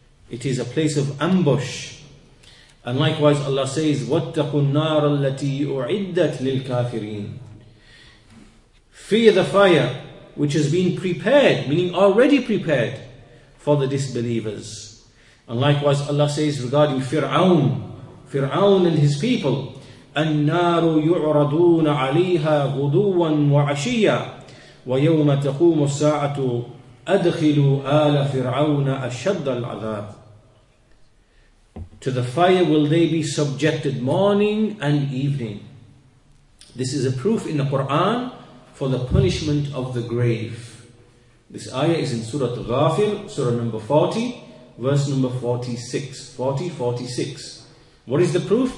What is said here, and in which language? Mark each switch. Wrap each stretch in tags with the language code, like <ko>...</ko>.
<en>It is a place of ambush. And likewise Allah says,</en> <ar>وَاتَّقُوا النَّارَ الَّتِي أُعِدَّتْ لِلْكَافِرِينَ.</ar> <en>Fear the fire which has been prepared, meaning already prepared, for the disbelievers. And likewise Allah says regarding Fir'aun and his people,</en> <ar>النار يعرضون عليها غدوا وعشيا ويوم تقوم الساعة أدخلوا آل فرعون أشد العذاب.</ar> <en>To the fire will they be subjected morning and evening. This is a proof in the Quran for the punishment of the grave. This ayah is in Surah Ghafir, Surah number 40, verse number 46. What is the proof?</en>